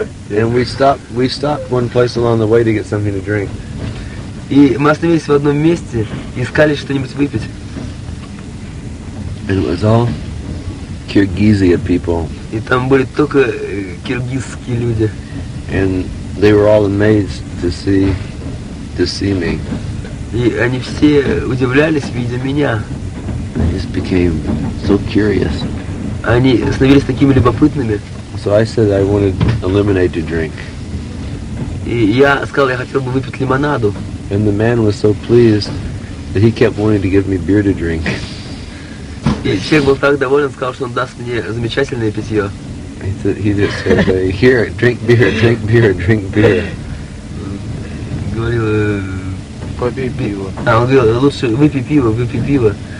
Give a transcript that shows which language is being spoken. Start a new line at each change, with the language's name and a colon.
English: And we stopped one place along the way to get something to drink.
Russian: И мы остановились в одном месте, искали что-нибудь выпить.
English: It was all Kyrgyzia people.
Russian: И там были только киргизские люди.
English: And they were all amazed to see me.
Russian: И они все удивлялись, видя меня.
English: They just became so curious.
Russian: Они становились такими любопытными.
English: So I said I wanted a lemonade to drink.
Russian: И я сказал, я хотел бы выпить лимонаду.
English: And the man was so pleased that he kept wanting to give me beer to drink.
Russian: И человек был так доволен, сказал, что он даст мне замечательное питье.
English: He just said, here, drink beer, drink beer, drink beer.
Russian: Говорил, попей пиво. А он говорил, лучше выпей пиво, выпей пиво.